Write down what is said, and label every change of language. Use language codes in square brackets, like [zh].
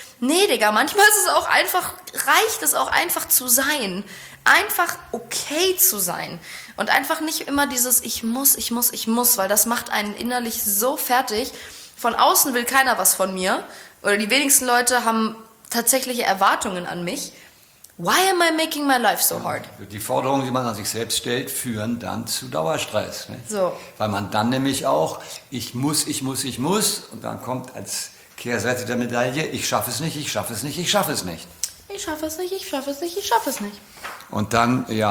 [de] Nee, Digga, manchmal ist es auch einfach, reicht es auch einfach zu sein. Einfach okay zu sein. Und einfach nicht immer dieses ich muss, weil das macht einen innerlich so fertig. Von außen will keiner was von mir. Oder die wenigsten Leute haben tatsächliche Erwartungen an mich. [en] Why am I making my life so hard? [de] Die Forderungen, die man an sich selbst stellt, führen dann zu Dauerstress. Ne? So. Weil man dann nämlich auch, ich muss, und dann kommt als Kehrseite der Medaille, ich schaffe es nicht. Und dann, ja.